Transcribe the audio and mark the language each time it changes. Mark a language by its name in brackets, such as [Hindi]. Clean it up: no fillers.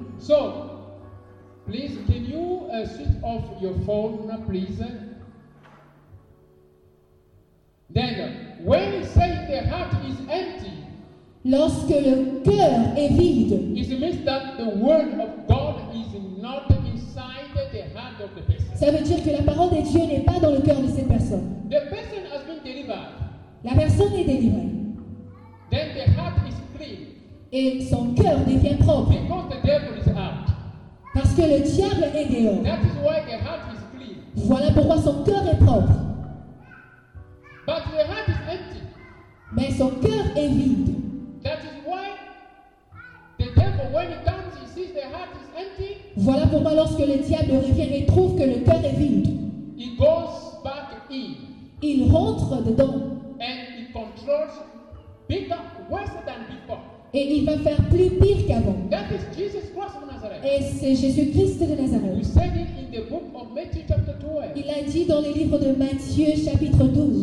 [English] So, please, can you switch off your phone, please? Then, when you say the heart is empty, [French] lorsque le cœur est vide, [English] it means that the word of God is not inside the heart of the person. [French] Ça veut dire que la parole de Dieu n'est pas dans le cœur de cette personne. [English] The person has been delivered. [French] La personne est délivrée. [English] Then the heart is clean. [French] Et son cœur devient propre. [English] Because the devil is out. [French] Parce que le diable est dehors. [English] That is why the heart is clean. [French] Voilà pourquoi son cœur est propre. [English] But the heart is empty. [French] Mais son cœur est vide. [English] When he comes, he sees the heart is empty. [French] Voilà pourquoi lorsque le diable revient et trouve que le cœur est vide, [English] he goes back in. [French] Il rentre dedans. [English] And he controls bigger, worse than before. [French] Et il va faire plus pire qu'avant. [English] That is Jesus Christ of Nazareth. [French] Et c'est Jésus-Christ de Nazareth. [English] He said it in the book of Matthew chapter 12. [French] Il a dit dans les livres de Matthieu chapitre 12.